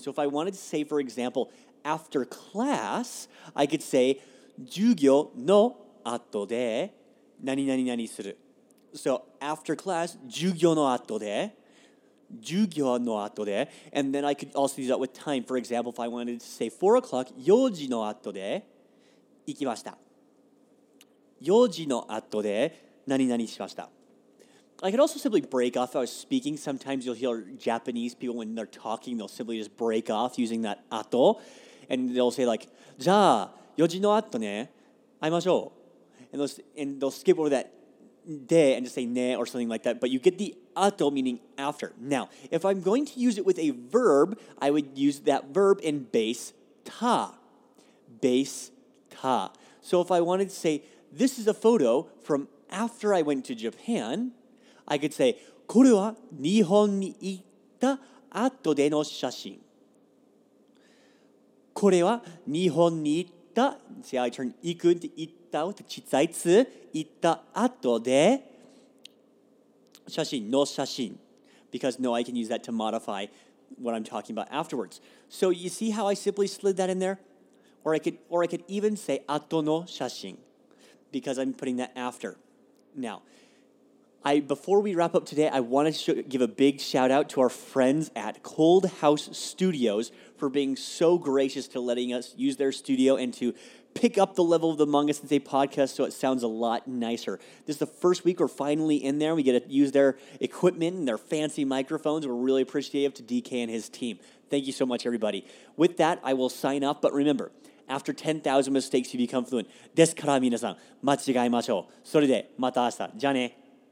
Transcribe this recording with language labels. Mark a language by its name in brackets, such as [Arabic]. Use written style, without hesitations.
[English] So if I wanted to say, for example, after class, I could say, [Japanese] 授業の後で何々する。 [English] So after class, [Japanese] 授業の後で。授業の後で。 [English] And then I could also use that with time. For example, if I wanted to say 4 o'clock, [Japanese] 4時の後で行きました。 4時の後で何々しました。 [English] I could also simply break off. If I was speaking, sometimes you'll hear Japanese people when they're talking, they'll simply just break off using that 後. And they'll say like, [Japanese] じゃあ4時の後ね、会いましょう。 [English] And they'll skip over that で and just say ne or something like that. But you get the ato meaning after. Now, if I'm going to use it with a verb, I would use that verb in base ta. Base ta. So if I wanted to say, this is a photo from after I went to Japan, I could say, [Japanese] これは日本に行った後での写真。これは日本に行った。 [English] See how I turn [Japanese] 行くって行ったって小さいつ。行った後で写真の写真。 [English] Because no, I can use that to modify what I'm talking about afterwards. So you see how I simply slid that in there? Or I could even say [Japanese] 後の写真 [English] because I'm putting that after. Now, before we wrap up today, I want to give a big shout out to our friends at Cold House Studios for being so gracious to letting us use their studio and to pick up the level of the Manga Sensei podcast so it sounds a lot nicer. This is the first week we're finally in there. We get to use their equipment and their fancy microphones. We're really appreciative to DK and his team. Thank you so much, everybody. With that, I will sign off. But remember, after 10,000 mistakes, you become fluent. [Japanese] ですから皆さん、間違いましょう。それでまた明日。じゃあね。